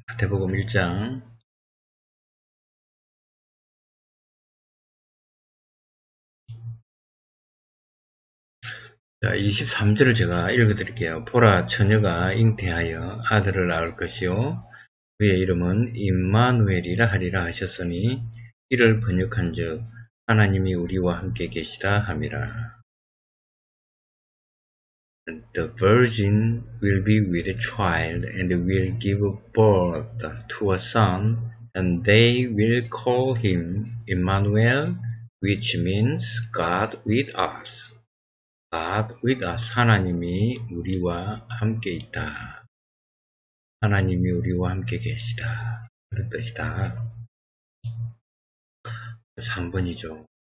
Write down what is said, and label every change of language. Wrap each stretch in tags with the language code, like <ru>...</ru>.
<ko>마태복음 1장 자, 23절을 제가 읽어드릴게요. 보라, 처녀가 잉태하여 아들을 낳을 것이요. 그의 이름은 임마누엘이라 하리라 하셨으니, 이를 번역한즉 하나님이 우리와 함께 계시다 함이라.</ko> <en>The virgin will be with a child and will give birth to a son, and they will call him Emmanuel, which means God with us. God with us.</en> <ko>하나님이 우리와 함께 있다. 하나님이 우리와 함께 계시다. 그런 뜻이다. 3번이죠.</ko>